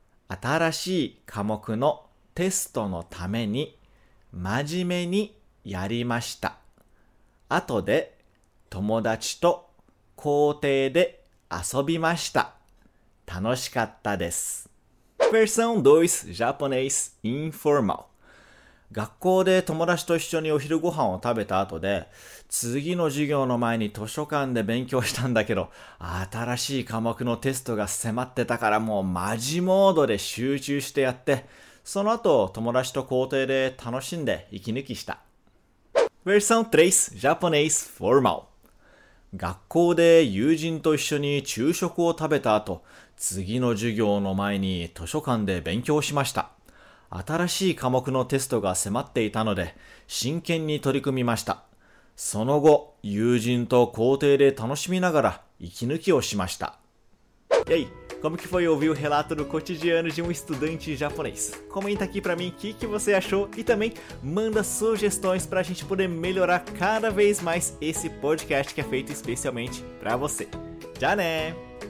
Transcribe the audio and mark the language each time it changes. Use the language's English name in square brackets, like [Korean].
[Japanese] 新しい科目のテストのために真面目にやりました。あとで友達と校庭で遊びました。楽しかったです。 [Portuguese] Versão 2 Japonês Informal。 [Japanese] 学校で友達と一緒にお昼ご飯を食べた後で、次の授業の前に図書館で勉強したんだけど、新しい科目のテストが迫ってたからもうマジモードで集中してやって、その後友達と校庭で楽しんで息抜きした。 [Portuguese] Versão [English] 3, Japanese Formal。 [Japanese] 学校で友人と一緒に昼食を食べた後、次の授業の前に図書館で勉強しました。新しい科目のテストが迫っていたので、真剣に取り組みました。その後、友人と校庭で楽しみながら、息抜きをしました。 [Portuguese] E aí? Como que foi ouvir o relato do cotidiano de um estudante japonês? Comenta aqui pra mim o que você achou e também manda sugestões pra gente poder melhorar cada vez mais esse podcast que é feito especialmente pra você. Já né!